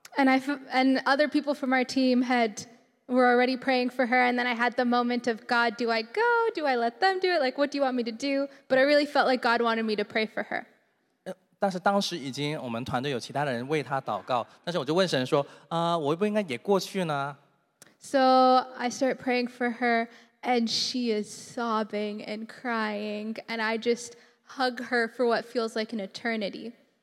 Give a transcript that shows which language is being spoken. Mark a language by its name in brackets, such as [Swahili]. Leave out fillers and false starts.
[English] And other people from our team were already praying for her, and then I had the moment of, God, do I go? Do I let them do it? Like, what do you want me to do? But I really felt like God wanted me to pray for her. [Chinese] 但是当时已经我们团队有其他的人为她祷告，但是我就问神说，我不应该也过去呢？ [English] So I start praying for her, and she is sobbing and crying, and I just hug her for what feels like an eternity.